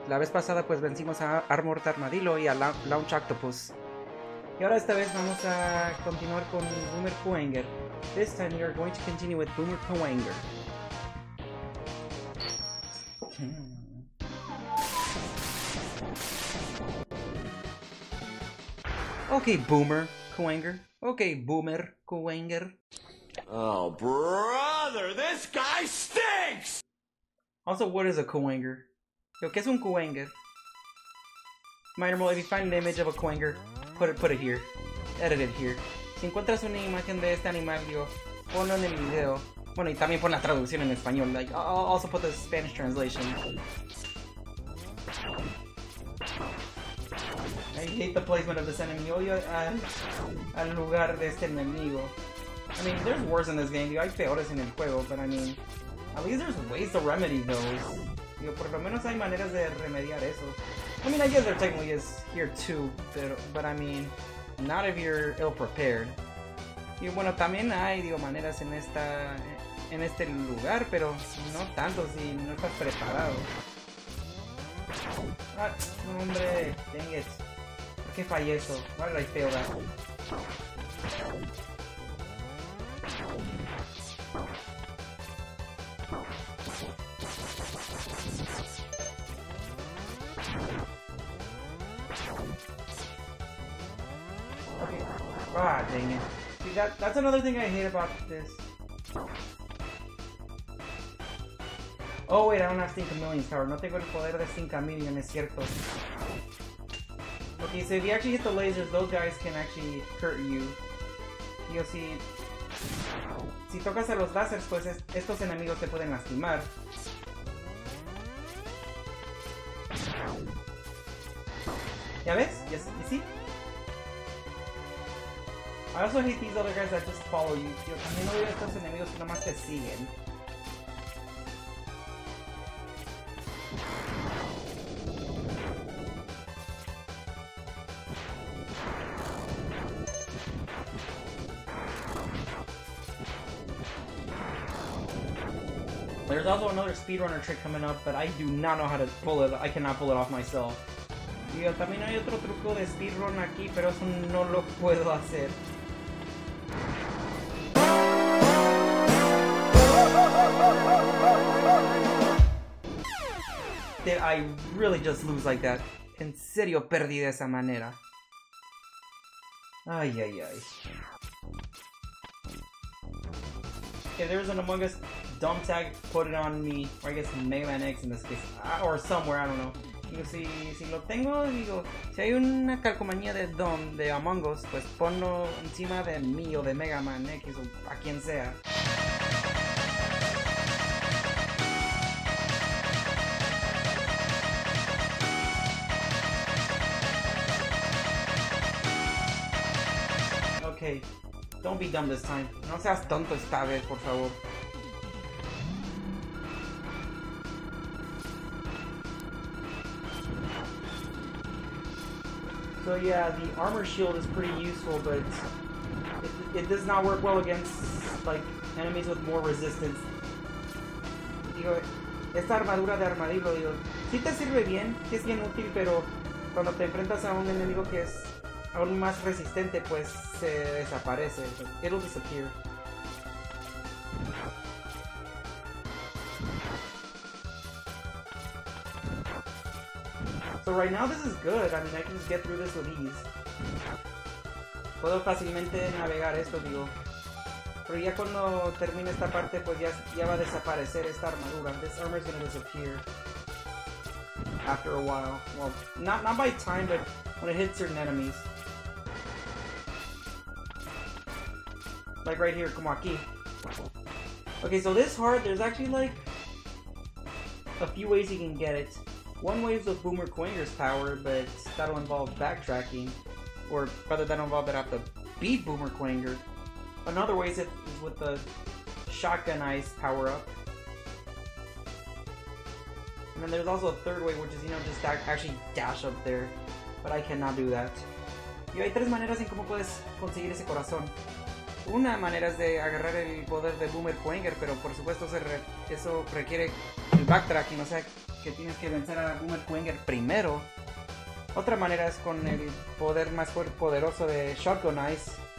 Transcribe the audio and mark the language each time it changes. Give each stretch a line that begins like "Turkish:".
Spanish: La vez pasada pues vencimos a Armored Armadillo y a Launch Octopus. Y ahora esta vez vamos a continuar con Boomer Poanger.
English: This time we are going to continue with Boomer Poanger. Okay, Boomer Coanger. Okay, Boomer Coanger. Oh, brother, this guy stinks! Also, what is a Coanger?
Spanish: Yo, ¿qué es un Coanger?
English: Minor Mole, if you find an image of a Coanger, put it here. Edit it here.
Spanish: Si encuentras una imagen de este animal, yo, ponlo en el video. Bueno, y también pon la traducción en español.
English: Like, I'll also put the Spanish translation. I hate the placement of this enemy.
Spanish: Odio al lugar de este enemigo.
English: I mean, there's worse in this game.
Spanish: Hay peores en el juego,
English: but I mean, at least there's ways to remedy those.
Spanish: Digo, por lo menos hay maneras de remediar eso.
English: I mean, I guess there technically is here too, but I mean, not if you're ill prepared.
Spanish: Y bueno, también hay, digo, maneras en este lugar, pero no tanto si no estás preparado. Ah, hombre,
English: dang it.
Spanish: ¿Qué fallé eso?
English: Why did I fail that? Okay. Ah, dang it. See, that's another thing I hate about this. Oh, wait, I don't have 5 million power.
Spanish: No tengo el poder de 5 million, es cierto.
English: Okay, so if you actually hit the lasers, those guys can actually hurt you.
Spanish: Yo, si tocas a los lasers, pues estos enemigos te pueden lastimar. ¿Ya ves?
English: Yes, you see? I also hate these other guys that just follow you.
Spanish: Yo, también odio a estos enemigos que nomás te siguen.
English: There's also another speedrunner trick coming up, but I do not know how to pull it. I cannot pull it off myself.
Spanish: Yo, también hay otro truco de speedrun aquí, pero eso no lo puedo hacer.
English: Did I really just lose like that?
Spanish: En serio, perdí de esa manera. Ay, ay, ay.
English: Okay, there's an Among Us dumb tag, put it on me, or I guess Mega Man X in this case, or somewhere, I don't know.
Spanish: Digo, si lo tengo, digo, si hay una calcomanía de dumb de Among Us, pues ponlo encima de mí o de Mega Man X o a quien sea.
English: Okay, don't be dumb this time.
Spanish: No seas tonto esta vez, por favor.
English: So yeah, the armor shield is pretty useful, but it does not work well against, like, enemies with more resistance.
Spanish: Digo, esta armadura de armadillo, digo, sí te sirve bien, sí es bien útil, pero cuando te enfrentas a un enemigo que es aún más resistente, pues se desaparece.
English: It'll disappear. So right now this is good. I mean, I can just get through this with ease.
Spanish: Puedo fácilmente navegar esto, digo. Pero ya cuando termine esta parte, pues ya va a desaparecer esta armadura.
English: This armor is gonna disappear after a while. Well, not by time, but when it hits certain enemies. Like right here,
Spanish: como aquí.
English: Okay, so this heart, there's actually like a few ways you can get it. One way is with Boomer Coanger's power, but that'll involve backtracking. Or rather, that'll involve that I have to beat Boomer Coanger. Another way is with the Shotgun Ice power up. And then there's also a third way, which is, you know, just actually dash up there. But I cannot do that.
Spanish: Y hay tres maneras en cómo puedes conseguir ese corazón. Una manera es de agarrar el poder de Boomer Poenger, pero por supuesto eso requiere el backtracking, o sea que tienes que vencer a Boomer Poenger primero. Otra manera es con el poder más poderoso de Shotgun Eyes.